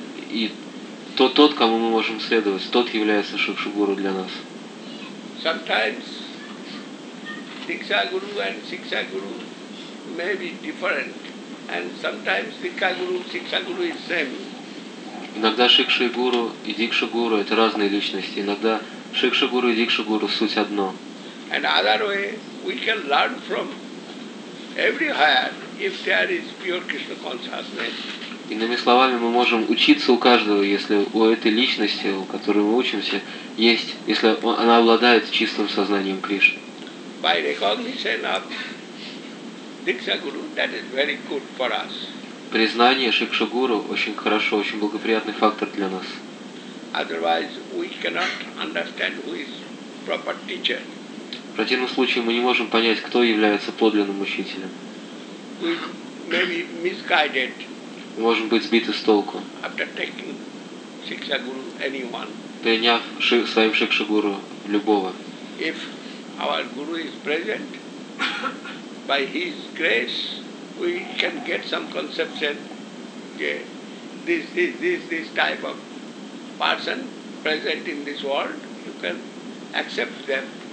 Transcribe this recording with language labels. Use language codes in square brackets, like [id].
[ru] И тот, кому мы можем следовать, тот является Шикша Гуру для нас. [en] Sometimes Шикша Гуру and Шикша Гуру may be different. And sometimes Шикша Гуру, Шикша Гуру is same. [ru] Иногда Шикша Гуру и Дикша Гуру – это разные личности. Иногда Шикша Гуру и Дикша Гуру – суть одно. [en] And other way, we can learn from everywhere, if there is pure Krishna consciousness. [ru] Иными словами, мы можем учиться у каждого, если у этой личности, у которой мы учимся, есть, если она обладает чистым сознанием Кришны. [en] By recognition of Дикша Гуру, that is very good for us. [ru] Признание Шикша Гуру – очень хорошо, очень благоприятный фактор для нас. [en] Otherwise, we cannot understand who is proper teacher. [ru] В противном случае мы не можем понять, кто является подлинным учителем. [en] We may be misguided. [ru] Мы можем быть сбиты с толку. [en] After taking Shiksha Guru, anyone. [ru] Приняв своим Шикша Гуру любого. [en] If our Guru is present, by his grace, we can get some conception. Okay, this type of person present in this world, you can accept them.